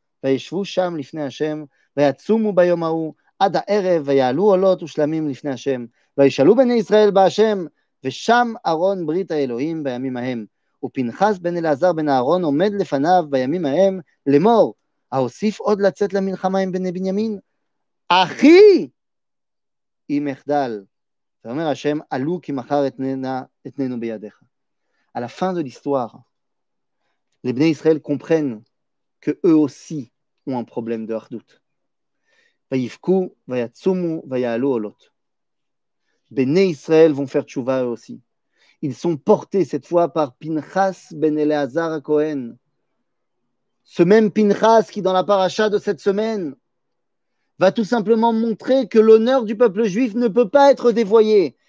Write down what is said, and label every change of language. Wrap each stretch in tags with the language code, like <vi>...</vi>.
<he>vaya chvou sham lifne Hachem, vaya tsumu bayomaou, ada erev, vaya alu olot ushlamim lifne Hachem, vaya chalou bene Israël ba Hachem, ושם אהרון ברית האלוהים בימים ההם, ופנחס בן אלעזר בן אהרון עומד לפניו בימים ההם, למור, האוסיף עוד לצאת למלחמה עם בני בנימין, אחי, אם אחדל, ואומר השם, עלו כי מחר אתננו בידיך.</he> <fr>À la fin de l'histoire, les בני ישראל comprennent que eux aussi ont un problème de אחדות.</fr> <he>ויבכו, ויצומו, ויעלו עולות.</he> <fr>Béné Israël vont faire tchouva eux aussi. Ils sont portés cette fois par Pinchas ben Eleazar Cohen. Ce même Pinchas qui, dans la paracha de cette semaine, va tout simplement montrer que l'honneur du peuple juif ne peut pas être dévoyé.</fr>